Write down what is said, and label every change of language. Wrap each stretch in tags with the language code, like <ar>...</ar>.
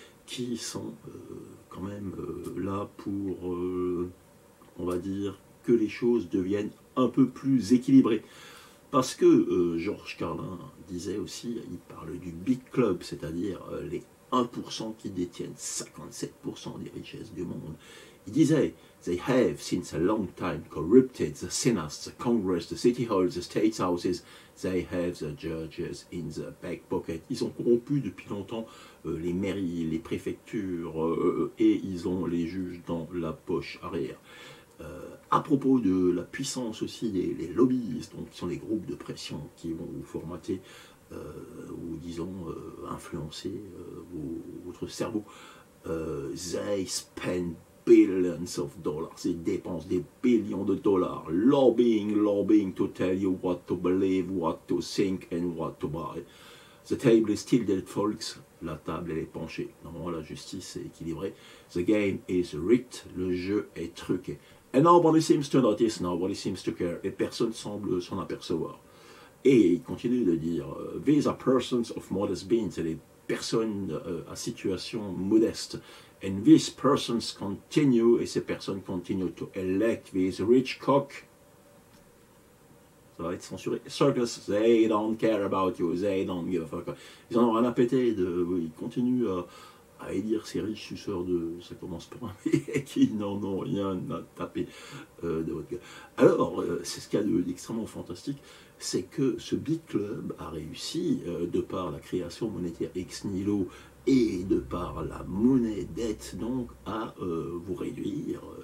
<fr>Qui sont quand même là pour, on va dire, que les choses deviennent un peu plus équilibrées. Parce que Georges Carlin disait aussi, il parle du Big Club, c'est-à-dire les 1% qui détiennent 57% des richesses du monde.</fr> <en>Il disait, they have since a long time corrupted the Senate, the Congress, the City Hall, the State Houses, they have the judges in the back pocket.</en> <fr>Ils ont corrompu depuis longtemps les mairies, les préfectures et ils ont les juges dans la poche arrière. À propos de la puissance aussi, les lobbyistes, donc qui sont les groupes de pression qui vont vous formater ou disons influencer votre cerveau,</fr> <en>they spend billions of dollars,</en> <fr>ils dépensent des billions de dollars,</fr> <en>lobbying to tell you what to believe, what to think and what to buy. The table is still dead, folks.</en> <fr>La table, elle est penchée. Normalement, la justice est équilibrée.</fr> <en>The game is rigged.</en> <fr>Le jeu est truqué.</fr> <en>And nobody seems to notice, nobody seems to care.</en> <fr>Et personne semble s'en apercevoir. Et il continue de dire,</fr> <en>these are persons of modest means.</en> <fr>C'est des personnes à situation modeste.</fr> <en>And these persons continue,</en> <fr>et ces personnes continue</fr> <en>to elect these rich cock.</en> <fr>Ça va être censuré.</fr> <en>Circus, they don't care about you, they don't give a fuck.</en> <fr>Ils en ont rien à péter, ils continuent à élire ces riches suceurs de... Ça commence par un et qu'ils n'en ont rien à taper de votre gueule. Alors, c'est ce qu'il y a d'extrêmement fantastique, c'est que ce Big Club a réussi, de par la création monétaire ex nihilo et de par la monnaie dette, donc, à vous réduire...</fr>